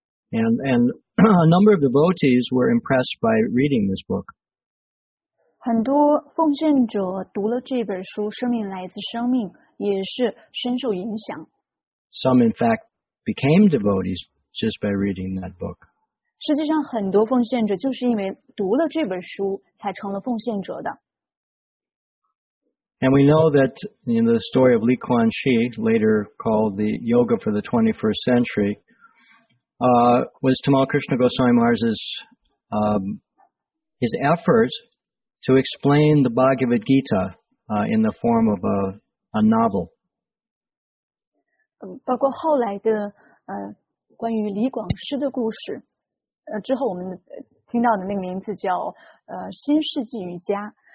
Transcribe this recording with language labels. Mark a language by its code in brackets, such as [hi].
[en] And a number of devotees were impressed by reading this book. [zh] 很多奉献者读了这本书《生命来自生命》，也是深受影响。 [en] Some in fact became devotees just by reading that book. [zh] 实际上很多奉献者就是因为读了这本书才成了奉献者的。 [en] And we know that in the story of Lee Kuan Yew, later called the Yoga for the 21st Century, was Tamal Krishna Goswami Maharaj's his effort to explain the Bhagavad Gita in the form of a novel. [zh] 包括后来的关于李广师的故事，之后我们听到的那个名字叫新世纪瑜伽。